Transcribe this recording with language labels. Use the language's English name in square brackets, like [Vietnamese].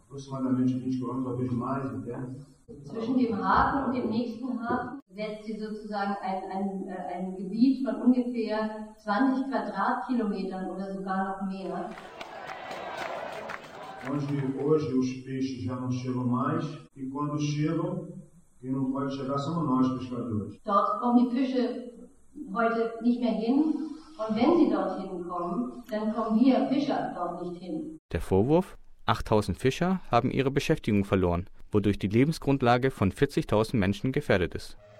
[German] Hauptarbeitsfischfang. Zwischen dem Hafen und dem nächsten Hafen setzt sie sozusagen ein Gebiet von ungefähr 20 Quadratkilometern oder sogar noch mehr. [Portuguese] Onde hoje os peixes já não chegam mais e quando chegam, quem não pode chegar somos nós pescadores. [German] Dort kommen die Fische heute nicht mehr hin und wenn sie dorthin kommen, dann kommen wir Fischer dort nicht hin. Der Vorwurf: 8000 Fischer haben ihre Beschäftigung verloren, wodurch die Lebensgrundlage von 40.000 Menschen gefährdet ist.